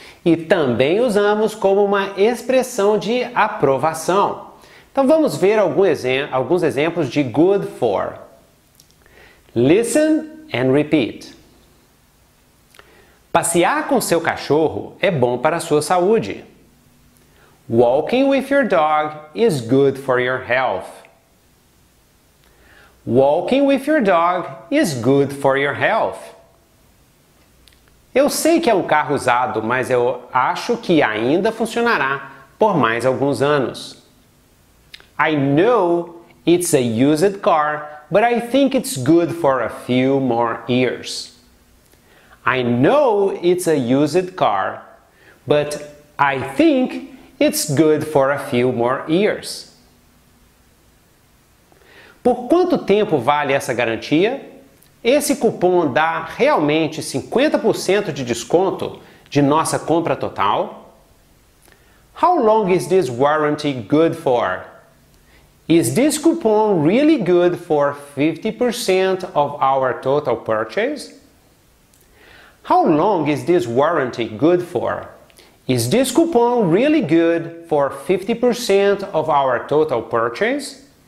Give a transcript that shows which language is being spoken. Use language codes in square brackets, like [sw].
[pt] E também usamos como uma expressão de aprovação. Então vamos ver alguns exemplos de good for. [en] Listen and repeat. [pt] Passear com seu cachorro é bom para a sua saúde. [en] Walking with your dog is good for your health. Walking with your dog is good for your health. [pt] Eu sei que é um carro usado, mas eu acho que ainda funcionará por mais alguns anos. [en] I know it's a used car, but I think it's good for a few more years. I know it's a used car, but I think it's good for a few more years. [pt] Por quanto tempo vale essa garantia? Esse cupom dá realmente 50% de desconto de nossa compra total? [en] How long is this warranty good for? Is this coupon really good for 50% of our total purchase? How long is this warranty good for? Is this coupon really good for 50% of our total purchase?